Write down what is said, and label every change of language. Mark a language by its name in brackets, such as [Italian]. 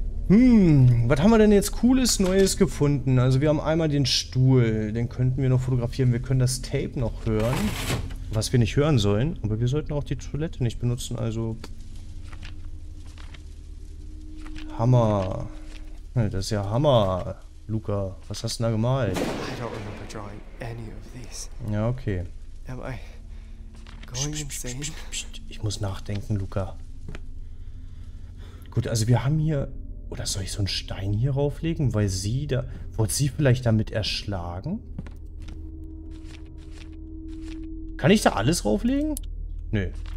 [German] Was haben wir denn jetzt Cooles Neues gefunden? Also wir haben einmal den Stuhl, den könnten wir noch fotografieren. Wir können das Tape noch hören, was wir nicht hören sollen. Aber wir sollten auch die Toilette nicht benutzen, also... Hammer. Das ist ja Hammer, Luca. Was hast du denn da gemalt? [English] I don't remember drawing any of these. [German] Ja, okay. [English] Am I going insane? [German] Ich muss nachdenken, Luca. Gut, also wir haben hier... Oder soll ich so einen Stein hier rauflegen? Weil sie da... Wurde sie vielleicht damit erschlagen? Kann ich da alles rauflegen? Nö.